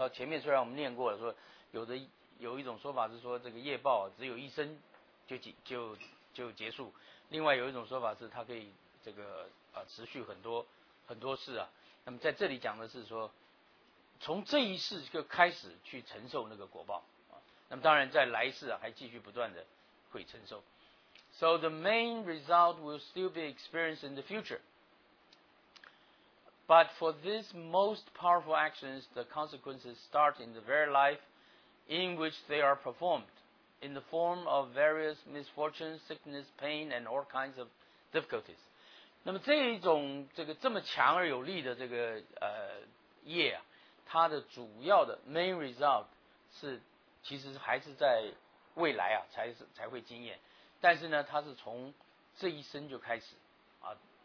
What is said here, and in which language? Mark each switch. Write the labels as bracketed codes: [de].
[zh] 它前面虽然我们念过了，说有一种说法是说这个业报、只有一生就结束，另外有一种说法是它可以这个持续很多很多世啊。那么在这里讲的是说，从这一世就开始去承受那个果报啊。那么当然在来世啊，还继续不断的会承受。 [en] So the main result will still be experienced in the future, but for these most powerful actions, the consequences start in the very life in which they are performed. In the form of various misfortunes, sickness, pain, and all kinds of difficulties. [zh] 那么这一种这个这么强而有力的这个业啊，它的主要的 [en] main result [zh] 是其实还是在未来啊才会经验，但是呢，它是从这一生就开始啊。